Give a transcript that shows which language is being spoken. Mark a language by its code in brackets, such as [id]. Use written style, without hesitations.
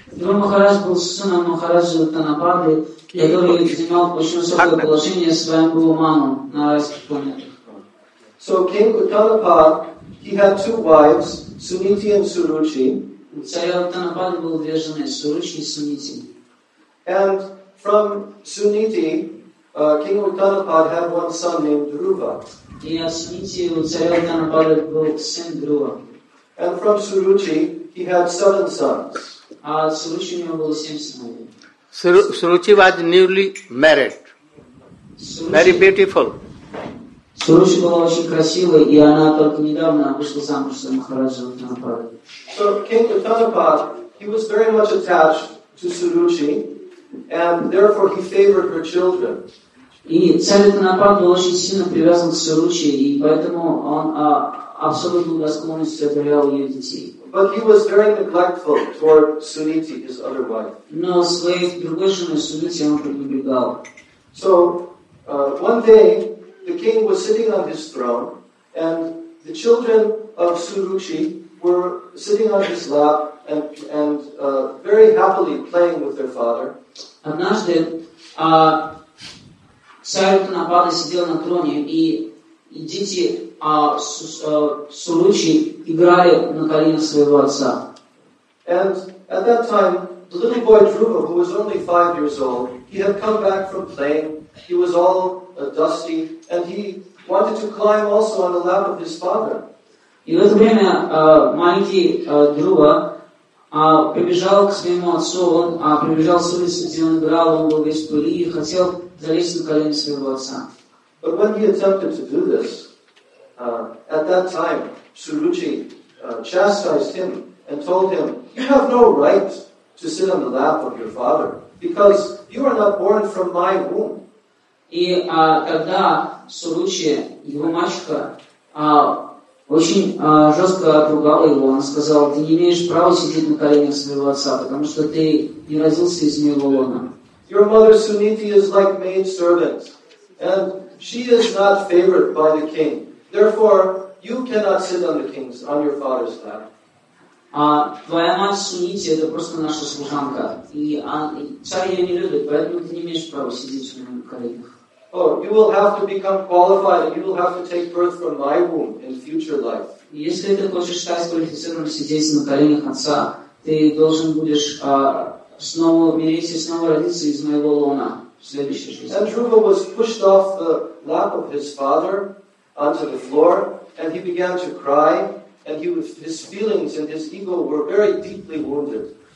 [ru] Dhruva Maharaj был сыном Махараджи Уттанапады, который занимал очень высокое положение своим Бхуманом на райских планетах. [en] So King Uttanapad, he had two wives, Suniti and Suruchi. [ru] Царь Уттанапады был две жены, Суручи и Сунити. [en] And from Suniti, King Uttanapad had one son named Dhruva. [ru] И от Сунити у царя Уттанапады был сын Дхрува. [en] And from Suruchi, he had seven sons. Suruchi was newly married. Suruchi, very beautiful. [ru] Suruchi [en] was very [ru] красивой, и она только недавно вышла замуж за Махараджа [en] So King Uttanapad, he was very much attached to Suruchi, and therefore he favored her children. [ru] И царь Уттанапад был очень сильно привязан к Суручи, и поэтому он абсолютно благосклонностью одарял ее детей. [en] But he was very neglectful toward Suniti, his other wife. [ru] Но своей другой жены Сунити он пренебрегал. [en] So, one day, the king was sitting on his throne, and the children of Suruchi were sitting on his lap and very happily playing with their father. [ru] Однажды, царь Уттанапада сидел на троне, и дети Суручи играли на коленях своего отца. [en] And at that time, the little boy Dhruva, who was only 5 years old, he had come back from playing. He was all dusty, and he wanted to climb also on the lap of his father. [ru] И в это время маленький Дхрува прибежал к своему отцу. Он прибежал с улицы, где он играл, он был весь в пыли и хотел залезть на колени своего отца. [en] But when he attempted to do this, at that time, Suruchi chastised him and told him, "You have no right to sit on the lap of your father because you are not born from my womb." [ru] И когда Суручи его мачеха очень жестко отругала его, она сказала, "Ты не имеешь права сидеть на коленях своего отца, потому что ты не родился из моего лона." [en] Your mother Suniti is like maid servant, and she is not favored by the king. Therefore, you cannot sit on the king's, on your father's lap. [ru] Твоя мать Сунити это просто наша служанка, и царь ее не любит, поэтому ты не имеешь права сидеть на коленях. [en] Oh, you will have to become qualified, and you will have to take birth from my womb in future life. [ru] Если ты хочешь стать квалифицированным сидеть на коленях отца, ты должен будешь снова умереть и снова родиться из моего лона в следующей жизни. [en] And Dhruva was pushed off the lap of his father onto the floor, and he began to cry, and his feelings and his ego were very deeply wounded.